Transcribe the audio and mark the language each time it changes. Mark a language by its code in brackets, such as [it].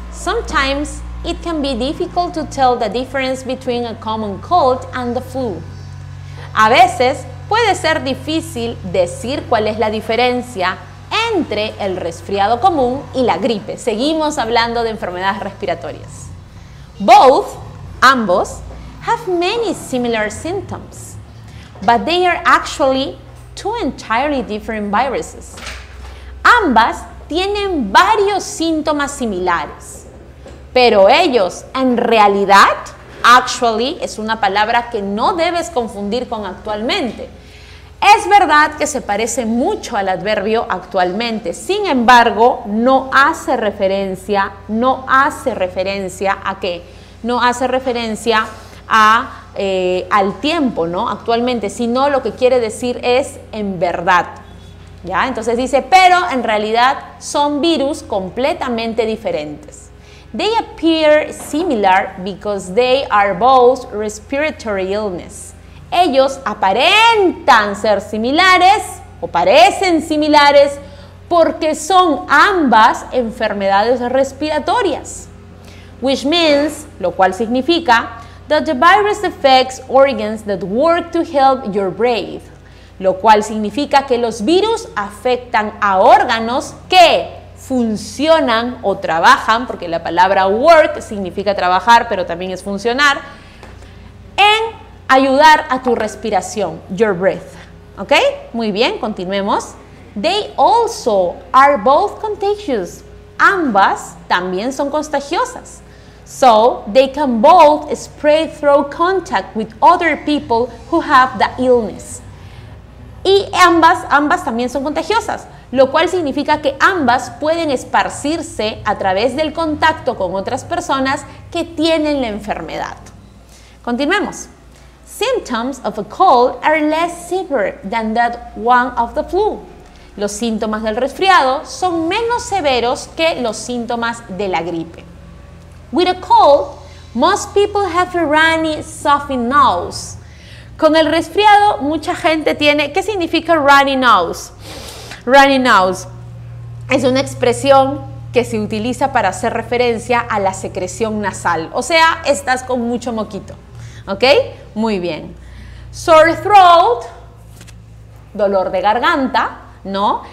[en] Sometimes it can be difficult to tell the difference between a common cold and the flu. [es] A veces puede ser difícil decir cuál es la diferencia entre el resfriado común y la gripe. Seguimos hablando de enfermedades respiratorias. [en] Both, ambos, have many similar symptoms, but they are actually two entirely different viruses. [es] Ambas tienen varios síntomas similares, pero ellos en realidad, actually, es una palabra que no debes confundir con actualmente. Es verdad que se parece mucho al adverbio actualmente, sin embargo, no hace referencia a qué, no hace referencia a, al tiempo, ¿no? Actualmente, sino lo que quiere decir es en verdad. ¿Ya? Entonces dice, pero en realidad son virus completamente diferentes. [en] They appear similar because they are both respiratory illness. [es] Ellos aparentan ser similares o parecen similares porque son ambas enfermedades respiratorias. [en] Which means, [es] lo cual significa, [en] that the virus affects organs that work to help your brain. [es] Lo cual significa que los virus afectan a órganos que funcionan o trabajan, porque la palabra work significa trabajar, pero también es funcionar, en ayudar a tu respiración, [en] your breath. [es] ¿Ok? Muy bien, continuemos. [en] They also are both contagious. [es] Ambas también son contagiosas. [en] So, they can both spread through contact with other people who have the illness. [es] Y ambas también son contagiosas, lo cual significa que ambas pueden esparcirse a través del contacto con otras personas que tienen la enfermedad. Continuemos. [en] Symptoms of a cold are less severe than that one of the flu. [es] Los síntomas del resfriado son menos severos que los síntomas de la gripe. [en] With a cold, most people have a runny, stuffy nose. [es] Con el resfriado, mucha gente tiene... ¿Qué significa runny nose? Runny nose es una expresión que se utiliza para hacer referencia a la secreción nasal. O sea, estás con mucho moquito. ¿Ok? Muy bien. Sore throat, dolor de garganta, ¿no?